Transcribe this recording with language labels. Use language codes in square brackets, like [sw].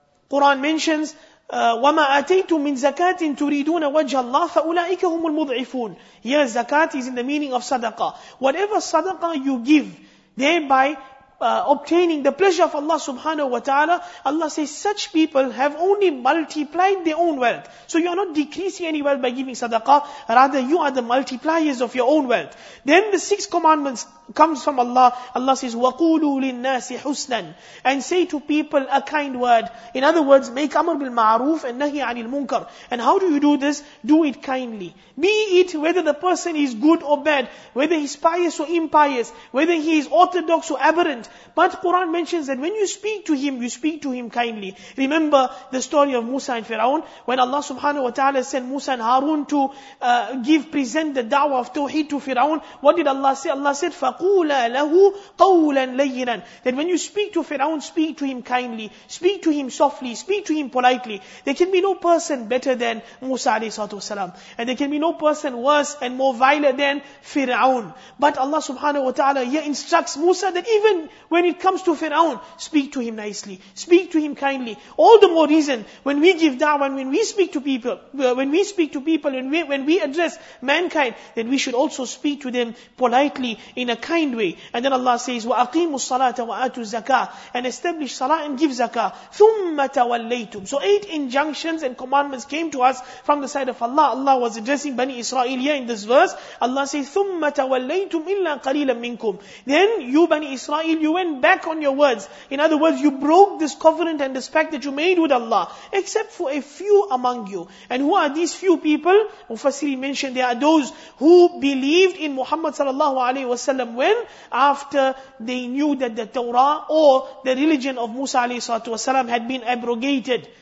[en] Quran mentions, [ar] وَمَا أَتَيْتُم مِّن زَكَاةٍ تُرِيدُونَ وَجْهَ اللَّهِ فَأُولَٰئِكَ هُمُ الْمُضْعِفُونَ. [en] Here, zakat is in the meaning of sadaqah. Whatever sadaqah you give, thereby obtaining the pleasure of Allah subhanahu wa ta'ala, Allah says such people have only multiplied their own wealth. So you are not decreasing any wealth by giving sadaqah, rather you are the multipliers of your own wealth. Then the sixth commandments comes from Allah. Allah says, [ar] وَقُولُوا لِلنَّاسِ حُسْنًا. [en] And say to people a kind word. In other words, make amr bil ma'roof and nahi anil munkar. And how do you do this? Do it kindly. Be it whether the person is good or bad, whether he's pious or impious, whether he is orthodox or aberrant. But Quran mentions that when you speak to him, you speak to him kindly. Remember the story of Musa and Firaun, when Allah subhanahu wa ta'ala sent Musa and Harun to present the da'wah of tawheed to Firaun. What did Allah say? Allah said, [ar] فَقُولَ لَهُ قَوْلًا لَيِّنًا. [en] That when you speak to Firaun, speak to him kindly, speak to him softly, speak to him politely. There can be no person better than Musa alayhi salatu wasalam. And there can be no person worse and more vile than Firaun. But Allah subhanahu wa ta'ala here instructs Musa that even when it comes to Firaun, speak to him nicely, speak to him kindly. All the more reason, when we give da'wah, when we speak to people, when we address mankind, then we should also speak to them politely, in a kind way. And then Allah says, [ar] وَأَقِيمُوا الصَّلَاةَ وَآتُوا الزَّكَاةَ. [en] And establish salah and give zakah. [ar] ثُمَّ تَوَلَّيْتُمْ. [en] So 8 injunctions and commandments came to us from the side of Allah. Allah was addressing Bani Israel here in this verse. Allah says, [ar] ثُمَّ تَوَلَّيْتُمْ إِلَّا قَلِيلًا مِّنْكُمْ. [en] Then you Bani Israel, you went back on your words. In other words, you broke this covenant and this pact that you made with Allah, except for a few among you. And who are these few people? Mufassirin mentioned, they are those who believed in Muhammad sallallahu alayhi wa sallam. When? After they knew that the Torah or the religion of Musa alayhi salatu wasalam had been abrogated.